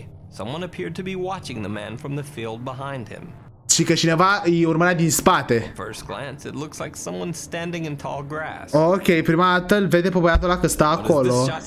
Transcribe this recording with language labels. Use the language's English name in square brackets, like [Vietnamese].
[English] Someone appeared to be watching the man from the field behind him. [Romanian] Și că cineva îi urmărea din spate. [English] First glance, it looks like someone standing in tall grass. [Romanian] Ok, prima dată îl vede pe băiatul ăla că stă acolo.